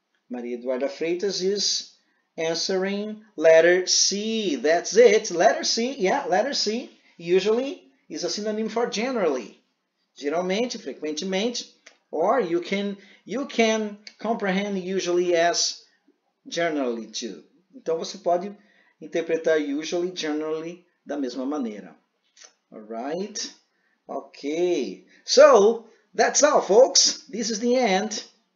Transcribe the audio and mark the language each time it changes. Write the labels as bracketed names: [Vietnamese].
[English] Maria Eduarda Freitas is answering letter C. That's it. Letter C. Yeah, letter C. Usually is a synonym for generally. [Portuguese] Geralmente, frequentemente. [English] Or you can comprehend usually as generally too. [Portuguese] Então você pode interpretar usually, generally da mesma maneira. [English] All right? Okay. So, that's all, folks. This is the end.